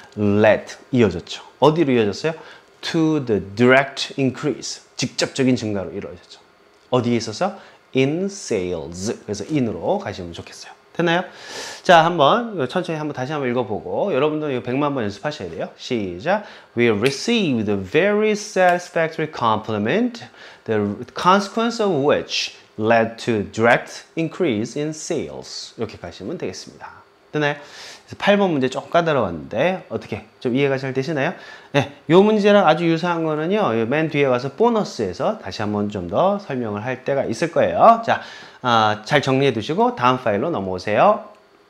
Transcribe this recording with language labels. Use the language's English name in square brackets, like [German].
[Korean] let 이어졌죠. 어디로 이어졌어요? [English] to the direct increase. [Korean] 직접적인 증가로 이루어졌죠. 어디에 있어서? [English] in sales. [Korean] 그래서 in으로 가시면 좋겠어요. 됐나요? 자, 한번 천천히 한번 다시 한번 읽어보고 여러분도 이거 100만 번 연습하셔야 돼요. 시작! [English] We received a very satisfactory compliment, the consequence of which led to direct increase in sales. [Korean] 이렇게 가시면 되겠습니다. 됐나요? 8번 문제 조금 까다로웠는데 어떻게 좀 이해가 잘 되시나요? 네, 요 문제랑 아주 유사한 거는요. 맨 뒤에 가서 보너스에서 다시 한번 좀 더 설명을 할 때가 있을 거예요. 자, 잘 정리해 두시고 다음 파일로 넘어오세요.